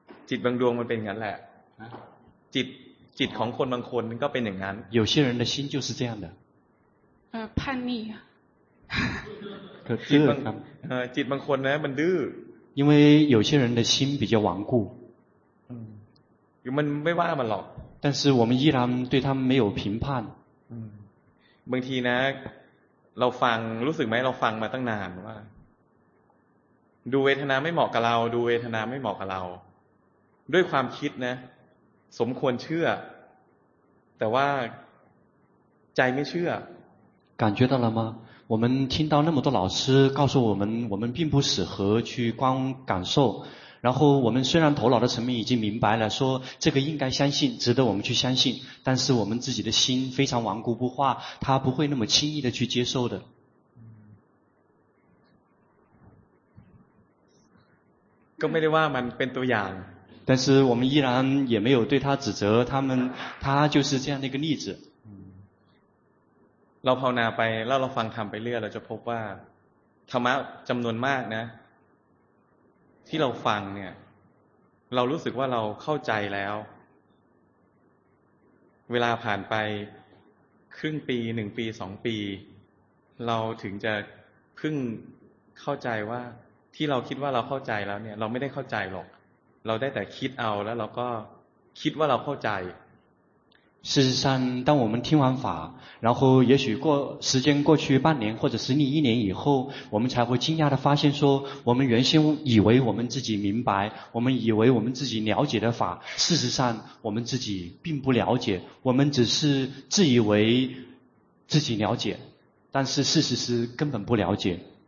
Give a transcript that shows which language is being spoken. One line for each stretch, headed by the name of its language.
Thai: จิตบางดวงมันเป็นงั้นแหละจิตของคนบางคนก็เป็นอย่างนั้น
Chinese: 有些人的心就是这样的叛逆可是
Thai: จิตบางคนนะมันดื้อ
Chinese: 因为有些人的心比较顽固
Thai: 嗯มันไม่ว่ามันหรอก
Chinese: 但是我们依然对他们没有评判
Thai: 嗯บางทีนะเราฟังรู้สึกไหมเราฟังมาตั้งนานว่าดูเวทนาไม่เหมาะกับเราดูเวทนาไม่เหมาะกับเราด้วยความคิดนะสมควรเชื่อแต่ว่าใจไม่เชื่อ
Chinese: 感觉到了吗我们听到那么多老师告诉我们并不适合去光感受然后我们虽然头脑的层面已经明白了说这个应该相信值得我们去相信但是我们自己的心非常顽固不化他不会那么轻易的去接受的
Thai: ก็ไม่ได้ว่ามันเป็นตัวอย่าง
Chinese: 但是我们依然也没有对他指责他就是这样的一个例子
Thai: เราภาวนาไปแล้วเราฟังธรรมไปเรื่อยเราจะพบว่าธรรมะจำนวนมากนะที่เราฟังเนี่ยเรารู้สึกว่าเราเข้าใจแล้วเวลาผ่านไปครึ่งปีหนึ่งปีสองปีเราถึงจะเพิ่งเข้าใจว่าที่เราคิดว่าเราเข้าใจแล้วเนี่ยเราไม่ได้เข้าใจหรอกเราได้แต่คิดเอาแล้วเราก็คิดว่าเราเข้าใจ
Chinese: 事实上当我们听完法然后也许过时间过去半年或者十年一年以后我们才会惊讶地发现说我们原先以为我们自己明白我们以为我们自己了解的法事实上我们自己并不了解我们只是自以为自己了解但是事实是根本不了解